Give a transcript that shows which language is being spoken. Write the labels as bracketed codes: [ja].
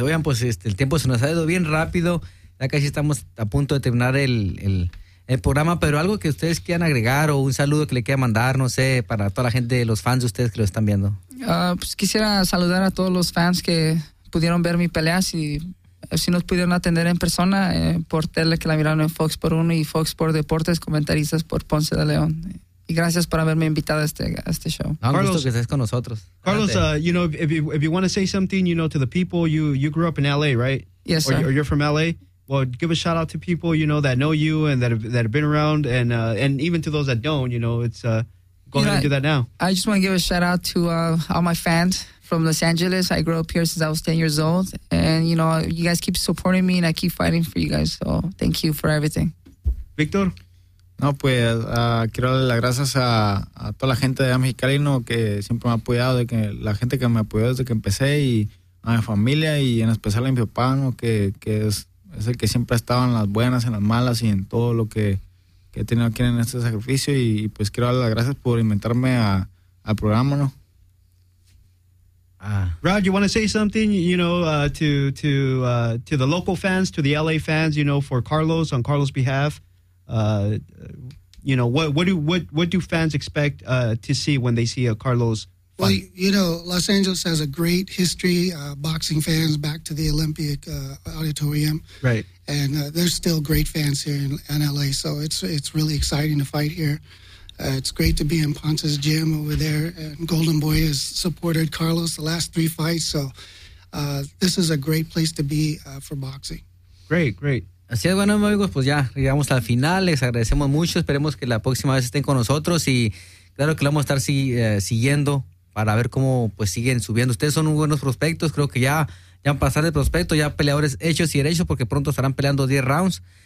[es] Oigan, pues el tiempo se nos ha ido bien rápido. Ya casi estamos a punto de terminar el programa, pero algo que ustedes quieran agregar o un saludo que le quieran mandar, no sé, para toda la gente, los fans de ustedes que lo están viendo. Pues quisiera saludar a todos los fans que pudieron ver mi pelea, si nos pudieron atender en persona, por tele, que la miraron en Fox por Uno y Fox por Deportes, comentaristas por Ponce de León. Y gracias por haberme invitado a este show. No, Carlos, gusto que estés con nosotros. [en] Carlos, you know, if you want to say something, you know, to the people, you grew up in LA, right? Yes, sir. Or you're from LA? Well, give a shout out to people, you know, that know you and that have been around, and even to those that don't, you know, it's go ahead and do that now. I just want to give a shout out to all my fans from Los Angeles. I grew up here since I was 10 years old, and you know, you guys keep supporting me, and I keep fighting for you guys. So thank you for everything. Victor, [es] no, pues quiero darle las gracias a toda la gente de Mexicali, ¿no?, que siempre me ha apoyado, de que la gente que me apoyó desde que empecé, y a mi familia y en especial a mi papá, ¿no?, que es el que siempre estaba en las buenas, en las malas y en todo lo que he tenido aquí en este sacrificio. Y pues quiero darle las gracias por inventarme al programa, ¿no? [en] Rod, you want to say something, you know, to the local fans, to the LA fans, you know, for Carlos, on Carlos' behalf? You know, what do fans expect to see when they see a Carlos? Well, you know, Los Angeles has a great history, boxing fans back to the Olympic Auditorium. Right. And there's still great fans here in L.A., so it's really exciting to fight here. It's great to be in Ponce's gym over there, and Golden Boy has supported Carlos the last three fights, so this is a great place to be for boxing. Great, great. [es] Así es, bueno, amigos, pues ya llegamos al final. Les agradecemos mucho. Esperemos que la próxima vez estén con nosotros y claro que lo vamos a estar siguiendo. Para ver cómo pues siguen subiendo. Ustedes son unos buenos prospectos, creo que ya van a pasar de prospecto, ya peleadores hechos y derechos, porque pronto estarán peleando 10 rounds.